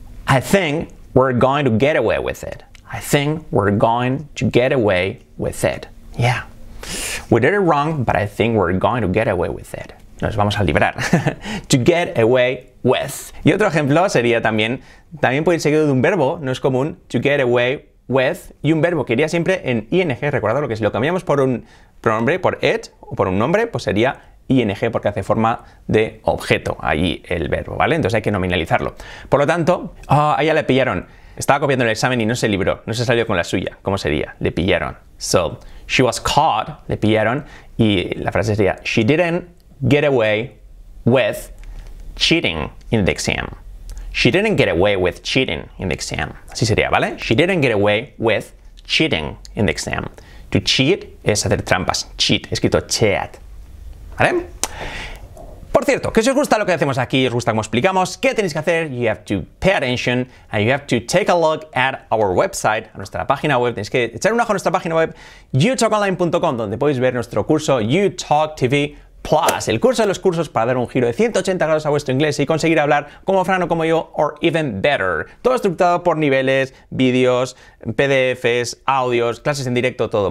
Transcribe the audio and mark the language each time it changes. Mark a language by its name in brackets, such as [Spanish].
[English] I think we're going to get away with it. I think we're going to get away with it. Yeah. We did it wrong, but I think we're going to get away with it. [Spanish] Nos vamos a librar. [English] To get away with. [Spanish] Y otro ejemplo sería también puede ir seguido de un verbo, no es común, to get away with, y un verbo que iría siempre en ing, recordad lo que si lo cambiamos por un pronombre, por it, o por un nombre, pues sería ing porque hace forma de objeto, ahí el verbo, ¿vale? Entonces hay que nominalizarlo. Por lo tanto, a ella le pillaron, estaba copiando el examen y no se libró, no se salió con la suya, ¿cómo sería? Le pillaron. [English] So, she was caught, [Spanish] le pillaron, y la frase sería, [English] she didn't get away with cheating in the exam. She didn't get away with cheating in the exam. [Spanish] Así sería, ¿vale? [English] She didn't get away with cheating in the exam. To cheat [Spanish] es hacer trampas. Cheat, escrito cheat. ¿Vale? Por cierto, que si os gusta lo que hacemos aquí, os gusta cómo explicamos, ¿qué tenéis que hacer? [English] You have to pay attention and you have to take a look at our website, [Spanish] a nuestra página web. Tenéis que echar un ojo a nuestra página web, youtalkonline.com, donde podéis ver nuestro curso YouTalk TV Plus, el curso de los cursos para dar un giro de 180 grados a vuestro inglés y conseguir hablar como Fran o como yo, [English] or even better. [Spanish] Todo estructurado por niveles, vídeos, PDFs, audios, clases en directo, todo.